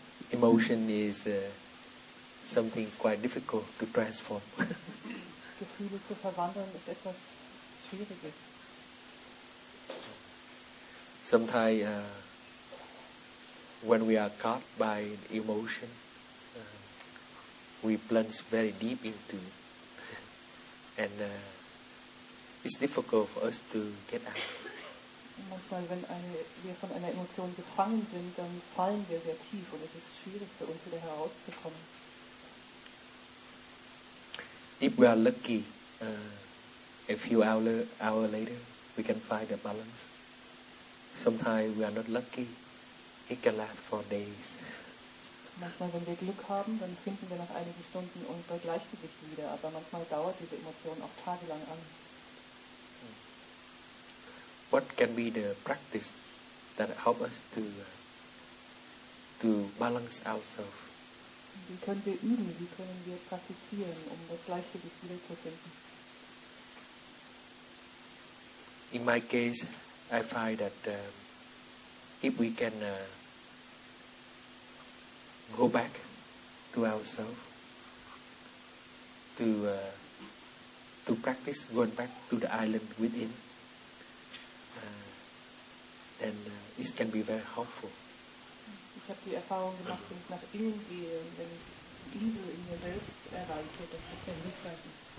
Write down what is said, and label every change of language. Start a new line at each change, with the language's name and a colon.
English: emotion is something quite difficult to transform.
German: Gefühle zu verwandeln ist etwas Schwieriges.
English: Sometimes when we are caught by emotion, we plunge very deep into it. And it's difficult for us to get out.
German: Manchmal, wenn wir von einer Emotion gefangen sind, dann fallen wir sehr tief und es ist schwierig für uns wieder herauszukommen.
English: If we are lucky, a few hour later, we can find a balance. Sometimes we are not lucky, it can last for days.
German: Manchmal, wenn wir Glück haben, dann finden wir nach einigen Stunden unser Gleichgewicht wieder, aber manchmal dauert diese Emotion auch tagelang an.
English: What can be the practice that help us to balance ourselves?
German: Wie können wir üben, wie können wir praktizieren, um das Gleichgewicht wieder zu finden?
English: In my case, I find that if we can go back to ourselves, to practice going back to the island within, then it can be very helpful.
German: Ich habe die Erfahrung gemacht, wenn ich nach innen gehe und wenn ich die Insel in mir selbst erreiche, dann kann ich sehr hilfreich sein.